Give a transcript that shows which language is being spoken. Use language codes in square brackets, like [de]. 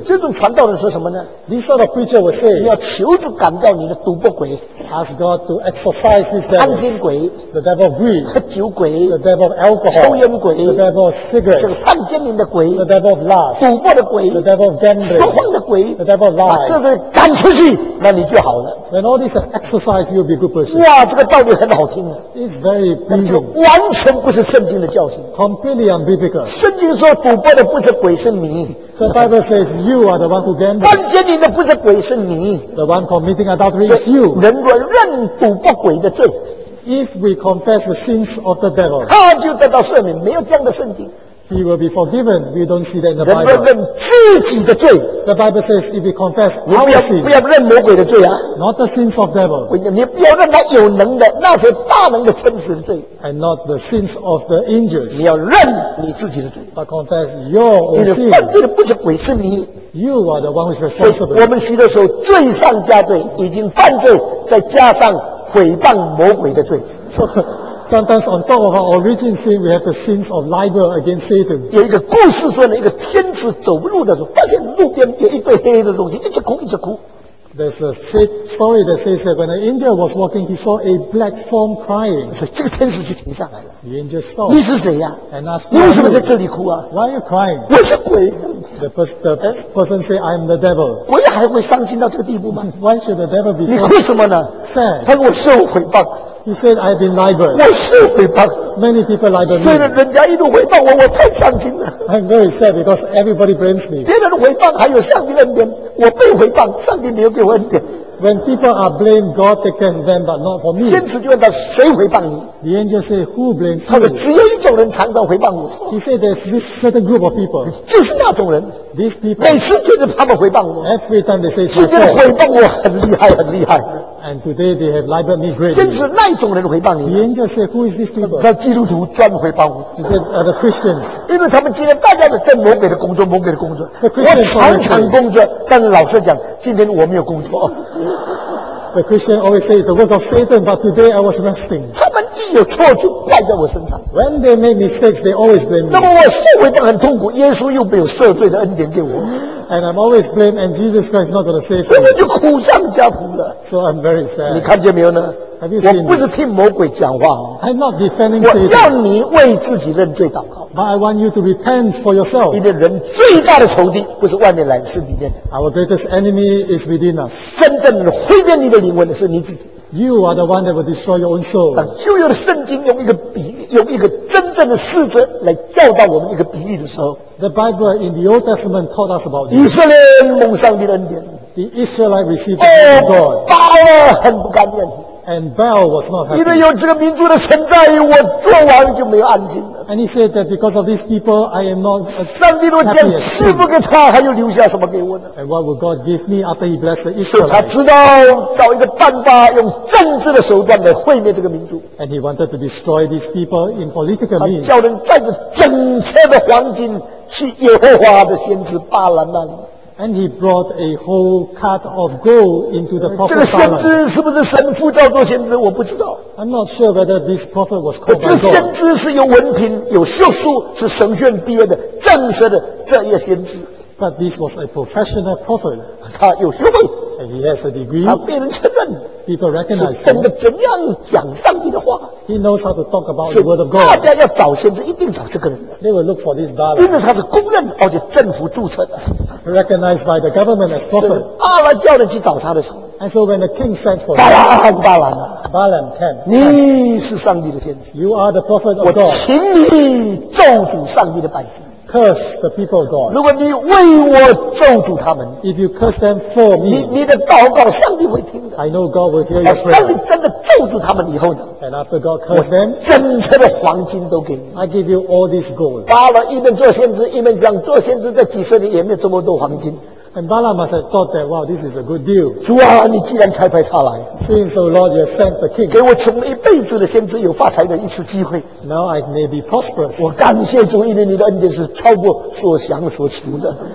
[zh] 这种传道人说什么呢 [en] ？This sort of preacher will say. [zh] 你要求主赶掉你的毒魔鬼。 [en] Ask God to exorcise this devil. [zh] 贪心鬼。 [en] The devil of greed. [zh] 喝酒鬼。 [en] The devil of alcohol. [zh] 抽烟鬼。 [en] The devil of cigarettes. [zh] 这个贪奸淫的鬼。 [en] The devil of lust. [zh] 赌博的鬼。 [en] The devil of gambling. [zh] 说谎的鬼。 [en] The devil of lies. [zh] 把这些赶出去，那你就好了。 [en] When all these exercise, you'll be a good person. [zh] 哇，这个道理很好听啊。 [en] It's very biblical. [zh] 完全不是圣经的教训。 [en] Completely unbiblical. [zh] 圣经说赌博的不是鬼，是你。 [en] The Bible says you are the one who gambles. [zh] 犯奸淫的不是鬼，是你。 [en] The one committing adultery is you. [zh] 人若认赌博鬼的罪。 [en] If we confess the sins of the devil. [zh] 他就得到赦免，没有这样的圣经。 [en] He will be forgiven. We don't see that in the Bible. [zh] 人认自己的罪。 [en] The Bible says if we confess our sin. [zh] 不要认魔鬼的罪啊。 [en] Not the sins of devil. [zh] 你不要认那有能的，那些大能的天使的罪。 [en] And not the sins of the angels. [zh] 你要认你自己的罪。 [en] But confess your own sin. [zh] 你犯罪的不是鬼，是你。 [en] You are the one who is responsible. [zh] 我们许多时候罪上加罪，已经犯罪，再加上毁谤魔鬼的罪。 [en] Sometimes on top of our origin sin, we have the sins of libel against Satan. [zh] 有一个故事说呢，一个天使走路的时候，发现路边有一堆黑黑的东西，一直哭，一直哭。 [en] There's a story that says that when an angel was walking, he saw a black form crying. [zh] 这个天使就停下来了。 [en] The angel stopped. [zh] 你是谁呀、 [en] 啊？And asked, [zh] 你为什么在这里哭啊？ [en] Why are you crying? [zh] 我是鬼。 [en] The person say, I'm the devil. [zh] 鬼还会伤心到这个地步吗？ [en] Why should the devil be sad? [zh] 你哭什么呢？ [en] Sad. [zh] 他说我受毁谤。 [en] He said, I've been libeled. [zh] 我是诽谤。 [en] Many people libel me. [zh] 虽然人家一路诽谤我，我太伤心了。 [en] I'm very sad because everybody blames me. [zh] 别人诽谤还有上帝恩典，我被诽谤，上帝没有给我恩典。 [en] When people are blamed, God takes them, but not for me. [zh] 天使就问他谁诽谤你 [en] ？The angel said, Who blames you? [zh] 他说只有一种人常常诽谤我。 [en] He said, There's this certain group of people. [zh] 就是那种人。 [en] These people. [zh] 每次觉得他们诽谤我。 [en] Every time they say, [zh] 是觉得诽谤我很厉害，很厉害。 [en] And today they have libeled me greatly. [zh] 天使那种人诽谤你。 [en] The angel said, Who is this people? [zh] 那基督徒专门诽谤我。 [en] He said, Are the Christians? [zh] 因为他们今天大家都在魔鬼的工作，魔鬼的工作。 [en] The Christians. [zh] 我常常工作，但是老实讲，今天我没有工作。 [en] The Christian always says the work of Satan, but today I was resting. [zh] 他们一有错就怪在我身上。 [en] When they make mistakes, they always blame me. [zh] 那么我受诽谤很痛苦，耶稣又没有赦罪的恩典给我。 [en] And I'm always blamed, and Jesus Christ is not going to say so. [zh] 我就苦上加苦了。 [en] So I'm very sad. [zh] 你看见没有呢？我不是替魔鬼讲话、 [en] 哦、I'm not defending [zh] 我要你为自己认罪祷告 [en] But I want you to repent for yourself [zh] 你的人最大的仇敌不是外面来是里面 [en] Our greatest enemy is within us [zh] 真正毁灭你的灵魂的是你自己 [en] You are the one that will destroy your own soul [zh] 当旧约的圣经用一个比用一个真正的事实来教导我们一个比喻的时候 [en] The Bible in the Old Testament taught us about [zh] 以色列蒙上帝的恩典 [en] The Israelite received the grace of God [zh] 巴勒很不甘愿 [en] And Baal was not happy. [zh] 因为有这个民族的存在，我做王就没有安心了。 [en] And he said that because of these people, I am not happy at all. [zh] 上帝若将赐福给他，还要留下什么给我呢 [en] ？And what would God give me after He blessed the Israelites? [zh] 他知道找一个办法，用政治的手段来毁灭这个民族。 [en] And he wanted to destroy these people in political means. [zh] 他叫人带着整车的黄金去耶和华的先知巴兰那里。 [en] And he brought a whole cart of gold into the prophet's house. [zh] 这个先知是不是神呼召做先知？我不知道。 [en] I'm not sure whether this prophet was called by God. [zh] 这个先知是有文凭、有学术，是神学院毕业的、正式的这一个先知。 [en] But this was a professional prophet. [zh] 他有学位。 [en] And he has a degree. [zh] 他被人承认。 [en] People recognize him. [zh] 懂得怎样讲上帝的话。 [en] He knows how to talk about the word of God. [zh] 大家要找先知，一定找这个人。 [en] They will look for this Baal. [zh] 因为他是公认而且政府注册的。 [en] Recognized by the government as prophet. [zh] 巴兰叫人去找他的时候。 [en] And so when the king sent for him. [zh] 巴兰啊。 [en] Balaam came. [zh] 你是上帝的先知。 [en] You are the prophet of God. [zh] 我请你咒诅上帝的百姓。 [en] Curse the people of God. [zh] 如果你为我咒诅他们 [en] ，If you curse them for me, [zh] 你的祷告上帝会听的。 [en] I know God will hear your prayer. [zh] 当你真的咒诅他们以后呢 [en] ？And after God curses them, [zh] 整车的黄金都给你。 [en] I give you all this gold. [zh] 巴勒一边做先知，一边讲做先知这几十年也没这么多黄金。 [en] And Balaam has thought that, wow, this is a good deal. [zh] 主啊，你既然差派他来 [en] ，Since the Lord has sent the king， [zh] 给我穷一辈子的先知有发财的一次机会。 [en] Now I may be prosperous。 [zh] 我感谢主，因为你的恩典是超过所想所求的。